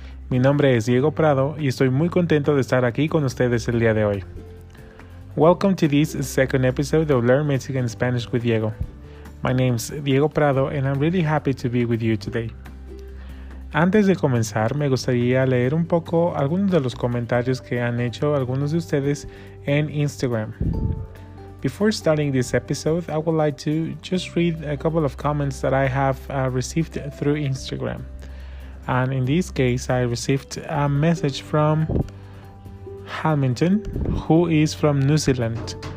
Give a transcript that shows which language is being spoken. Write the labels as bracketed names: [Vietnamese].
[Spanish] Mi nombre es Diego Prado y estoy muy contento de estar aquí con ustedes el día de hoy. [English] Welcome to this second episode of Learn Mexican Spanish with Diego. My name's Diego Prado and I'm really happy to be with you today. [Spanish] Antes de comenzar, me gustaría leer un poco algunos de los comentarios que han hecho algunos de ustedes en Instagram. [English] Before starting this episode, I would like to just read a couple of comments that I have received through Instagram. And in this case, I received a message from Hamilton, who is from New Zealand.